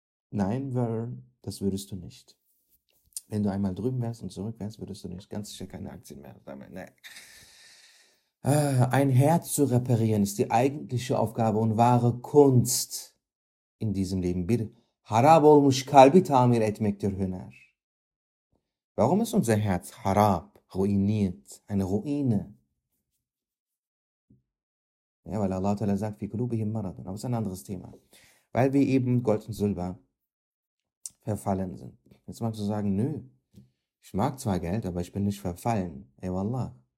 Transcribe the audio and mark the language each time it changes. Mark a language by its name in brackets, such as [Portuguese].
[German] Nein, Warren, das würdest du nicht. Wenn du einmal drüben wärst und zurück wärst, würdest du nicht ganz sicher keine Aktien mehr sammeln. Nee. Ein Herz zu reparieren ist die eigentliche Aufgabe und wahre Kunst in diesem Leben. [Turkish] Bir harab olmuş kalbi tamir etmektir hüner. [German] Warum ist unser Herz harab, ruiniert, eine Ruine? Ja, weil Allah Ta'ala sagt, [Arabic] fi kulubihim maradun. [German] Aber es ist ein anderes Thema. Weil wir eben Gold und Silber verfallen sind. Jetzt magst du sagen, nö, ich mag zwar Geld, aber ich bin nicht verfallen. Ey, wallah.